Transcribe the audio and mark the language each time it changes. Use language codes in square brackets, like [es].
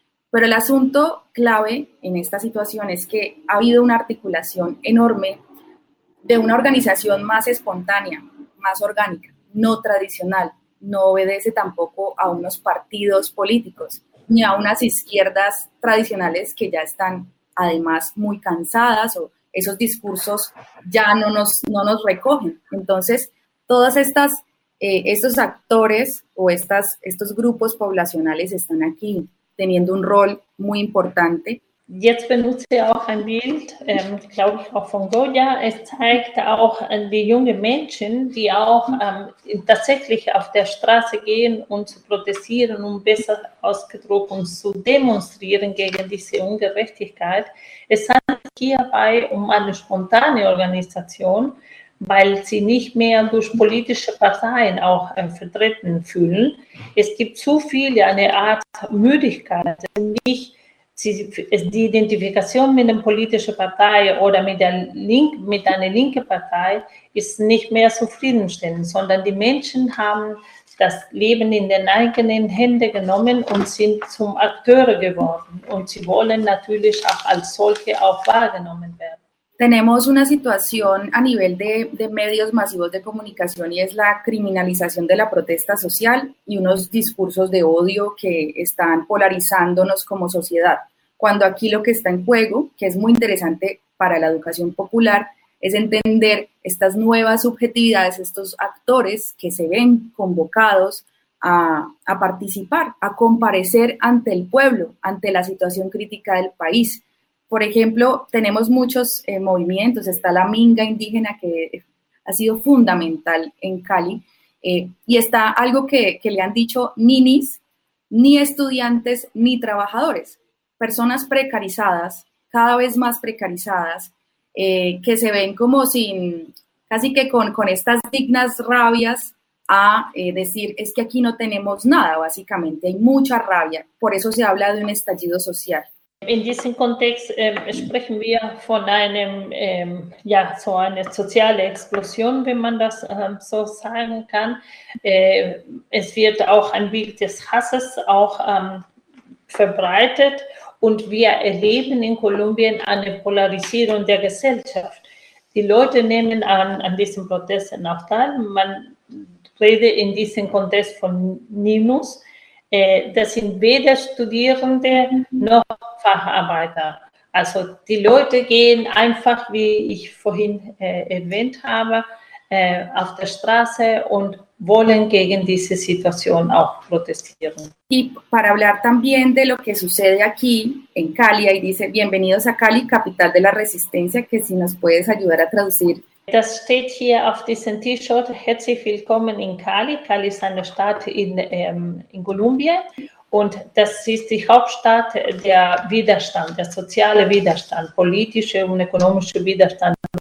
[es] Pero el asunto clave en esta situación es que ha habido una articulación enorme de una organización más espontánea, más orgánica, no tradicional, no obedece tampoco a unos partidos políticos ni a unas izquierdas tradicionales que ya están además muy cansadas o esos discursos ya no nos recogen. Entonces, todas estas estos actores o estos grupos poblacionales están aquí teniendo un rol muy importante. [de] Jetzt benutze ich auch ein Bild, glaube ich auch von Goya. Es zeigt auch die jungen Menschen, die auch tatsächlich auf der Straße gehen und zu protestieren, um besser ausgedrückt und zu demonstrieren gegen diese Ungerechtigkeit. Es handelt hierbei um eine spontane Organisation, weil sie nicht mehr durch politische Parteien auch vertreten fühlen. Es gibt zu viel eine Art Müdigkeit, nicht die Identifikation mit einer politischen Partei oder mit der Link, mit einer linken Partei ist nicht mehr zufriedenstellend, sondern die Menschen haben das Leben in den eigenen Händen genommen und sind zum Akteure geworden. Und sie wollen natürlich auch als solche auch wahrgenommen werden. [es] Tenemos una situación a nivel de medios masivos de comunicación y es la criminalización de la protesta social y unos discursos de odio que están polarizándonos como sociedad. Cuando aquí lo que está en juego, que es muy interesante para la educación popular, es entender estas nuevas subjetividades, estos actores que se ven convocados a participar, a comparecer ante el pueblo, ante la situación crítica del país. Por ejemplo, tenemos muchos movimientos, está la Minga indígena que ha sido fundamental en Cali y está algo que le han dicho ninis, ni estudiantes ni trabajadores, personas precarizadas, cada vez más precarizadas, que se ven como sin, casi que con estas dignas rabias a decir es que aquí no tenemos nada básicamente, hay mucha rabia, por eso se habla de un estallido social. [de] In diesem Kontext sprechen wir von einem so einer sozialen Explosion, wenn man das so sagen kann. Es wird auch ein Bild des Hasses auch verbreitet und wir erleben in Kolumbien eine Polarisierung der Gesellschaft. Die Leute nehmen an diesen Protesten auch teil. Man redet in diesem Kontext von Ninus. Das sind weder Studierende noch Facharbeiter. Also die Leute gehen einfach, wie ich vorhin erwähnt habe, auf der Straße und wollen gegen diese Situation auch protestieren. [es] Y para hablar también de lo que sucede aquí en Cali, ahí dice, bienvenidos a Cali, capital de la resistencia, que si nos puedes ayudar a traducir. [de] Das steht hier auf diesem T-Shirt, herzlich willkommen in Cali. Cali ist eine Stadt in Kolumbien und das ist die Hauptstadt der Widerstand, der soziale Widerstand, politische und ökonomische Widerstand.